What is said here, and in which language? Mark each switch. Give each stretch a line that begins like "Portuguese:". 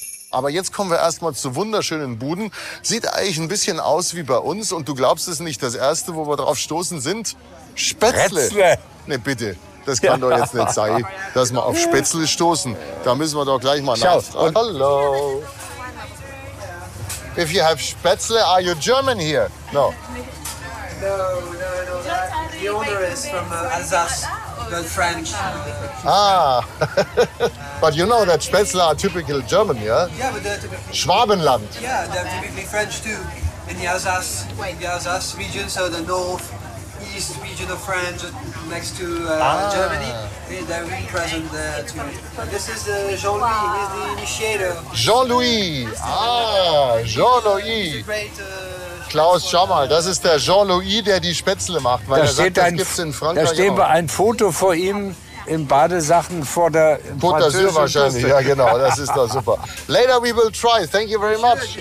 German: Aber jetzt kommen wir erstmal zu wunderschönen Buden. Sieht eigentlich ein bisschen aus wie bei uns und du glaubst es nicht, das erste, wo wir drauf stoßen sind, Spätzle. Ne, bitte. Das kann doch jetzt nicht sein, dass wir auf Spätzle stoßen. Da müssen wir doch gleich mal nachfragen. Hallo.
English: If you have Spätzle, are you German here? No. No. The owner is from Alsace, the French. Ah. But you know that Spätzle are typical German, yeah? Yeah, but they're typically...
German: Schwabenland.
English: Yeah, they're typically French too. In the Alsace region, so the north... East region of France, next to Germany. They're really present there too. This is Jean-Louis, he's the initiator. Jean-Louis. He's a great,
German: Klaus, schau mal, das ist der Jean-Louis, der die Spätzle macht. Weil da er sagt, steht ein, das gibt's in Frankreich da stehen wir auch. Ein Foto vor ihm in Badesachen vor der Französischen wahrscheinlich. Ja, genau, das ist doch super.
English: Later we will try, thank you very much.